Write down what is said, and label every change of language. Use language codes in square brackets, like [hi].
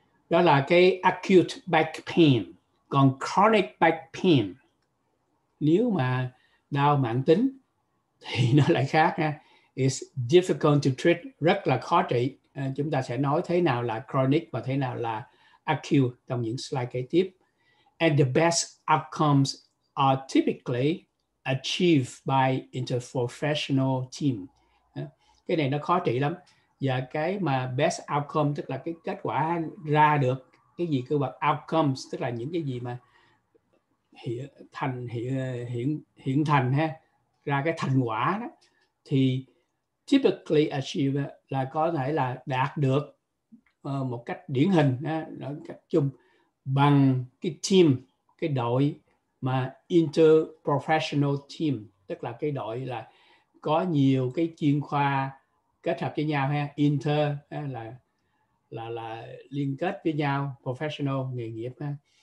[vi] Đó là cái acute back pain. Còn chronic back pain, nếu mà đau mãn tính thì nó lại khác ha. [en] It's difficult to treat, [vi] rất là khó trị. Chúng ta sẽ nói thế nào là chronic và thế nào là acute trong những slide kế tiếp. [en] And the best outcomes are typically achieved by interprofessional team. [vi] Cái này nó khó trị lắm. Và cái mà best outcome tức là cái kết quả ra được cái gì cơ bản, outcomes tức là những cái gì mà hiện thành ha, ra cái thành quả đó, thì [en] typically achieve [vi] là có thể là đạt được một cách điển hình ha, nói cách chung bằng cái team, cái đội mà interprofessional team, tức là cái đội là có nhiều cái chuyên khoa kết hợp với nhau ha, inter ha, là liên kết với nhau, professional nghề nghiệp ha.